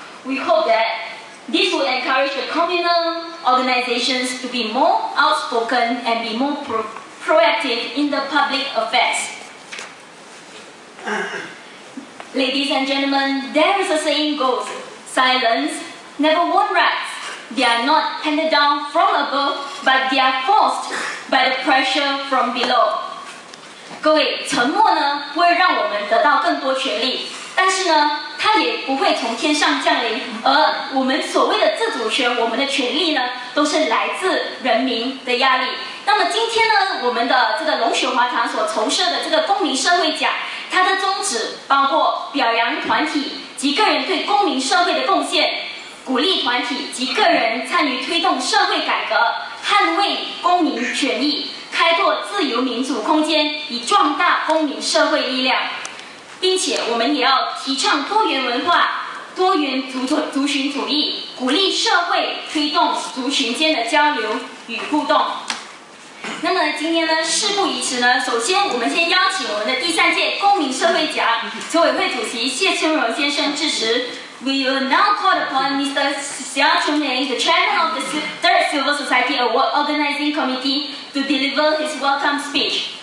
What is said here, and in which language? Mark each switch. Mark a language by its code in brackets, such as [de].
[en] We hope that this will encourage the communal organizations to be more outspoken and be more proactive in the public affairs. Ladies and gentlemen, there is a saying goes, silence never won rights. They are not handed down from above, but they are forced by the pressure from below. [zh] 各位，沉默呢，不会让我们得到更多权利。但是呢，它也不会从天上降临，而我们所谓的自主权，我们的权利呢，都是来自人民的压力。那么今天呢，我们的这个龙雪华堂所筹设的这个公民社会奖，它的宗旨包括表扬团体及个人对公民社会的贡献，鼓励团体及个人参与推动社会改革，捍卫公民权益，开拓自由民主空间，以壮大公民社会力量。并且我们也要提倡多元文化、多元族群主义，鼓励社会推动族群间的交流与互动。那么今天呢，事不宜迟呢，首先我们先邀请我们的第三届公民社会奖筹委会主席谢春荣先生致辞。 [en] We will now call upon Mr. Xiao Chunmei, the chairman of the Third Civil Society Award Organizing Committee, to deliver his welcome speech.